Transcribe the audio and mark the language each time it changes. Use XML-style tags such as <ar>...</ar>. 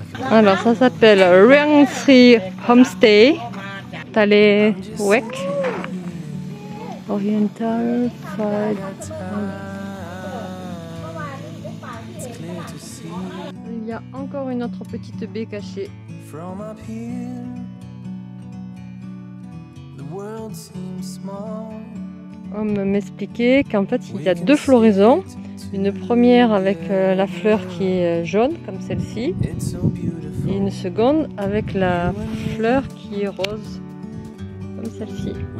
<fr>Alors, ça s'appelle Rang Sri Homestay. Talé Wek. Oriental Fried. Il y a encore une autre petite baie cachée.</fr> <en>From up here, the world seems small.</en> <fr>On m'expliquait qu'en fait il y a deux floraisons, une première avec la fleur qui est jaune comme celle-ci, et une seconde avec la fleur qui est rose, comme celle-ci.</fr>